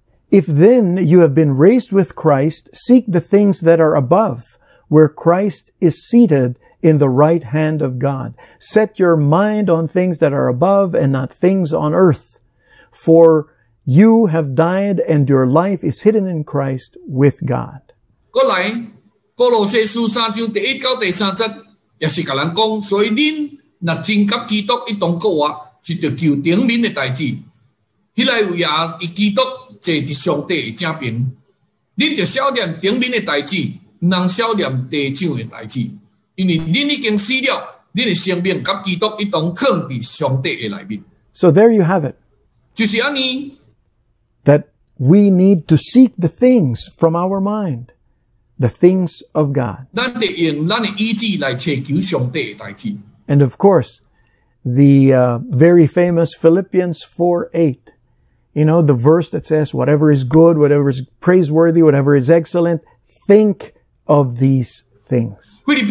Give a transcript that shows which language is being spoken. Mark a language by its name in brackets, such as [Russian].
[English] If then you have been raised with Christ, seek the things that are above, where Christ is seated in the right hand of God. Set your mind on things that are above and not things on earth. For you have died and your life is hidden in Christ with God. [Min Nan Chinese] 过来，哥罗西书三章第一到第三节也是甲咱讲，所以恁若真甲基督一同过活，就着求顶面的代志。迄来有耶，伊基督坐伫上帝的正边，恁着晓念顶面的代志，能晓念地上的代志，因为恁已经死了，恁的生命甲基督一同藏伫上帝的内面。 [English] So there you have it. [Min Nan Chinese] 就是安尼。 [English] That We need to seek the things from our mind, the things of God. And of course, the very famous Philippians 4:8, you know, the verse that says, whatever is good, whatever is praiseworthy, whatever is excellent, think of these things.